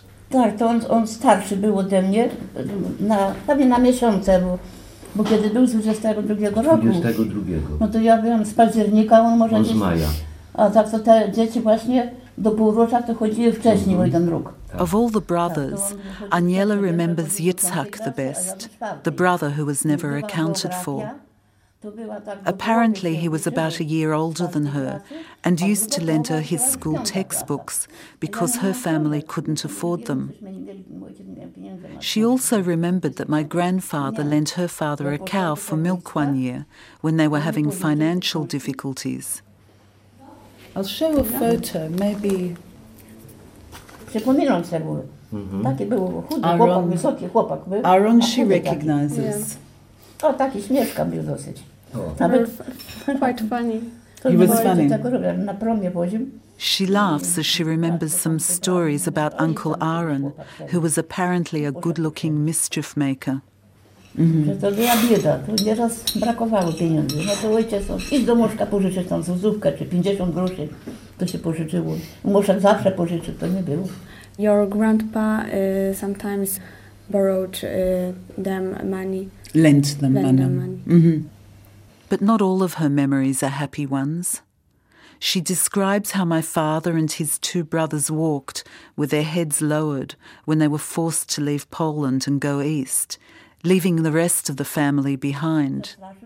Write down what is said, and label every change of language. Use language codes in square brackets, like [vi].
[pl] Tak, to on starszy był ode mnie, prawie na miesiące był. Bo kiedy był 22 roku, 22. No to ja byłem z października, on może on z maja. A tak to te dzieci właśnie do półrocza to chodziły wcześniej, w jeden róg. [en] Of all the brothers, Aniela remembers Yitzhak the best, the brother who was never accounted for. Apparently he was about a year older than her and used to lend her his school textbooks because her family couldn't afford them. She also remembered that my grandfather lent her father a cow for milk one year when they were having financial difficulties. I'll show a photo, maybe [pl] Przypominam sobie, był taki był chudy Aaron, chłopak, wysoki chłopak był. [en] Aaron, she recognizes. Yeah. [pl] O, taki śmieszka był dosyć. [en] Oh. [pl] Nawet, [en] quite funny. He was funny. She laughs as she remembers some stories about Uncle Aaron, who was apparently a good-looking mischief maker. [pl] To była bieda, tu nieraz brakowało pieniędzy. No to ojciec, idź do Moszka pożyczyć tam zupkę czy 50 groszy, to się pożyczyło. Moszek zawsze pożyczył, to nie było. [en] Your grandpa sometimes borrowed them money. Lent them money. But not all of her memories are happy ones. She describes how my father and his two brothers walked with their heads lowered when they were forced to leave Poland and go east, leaving the rest of the family behind.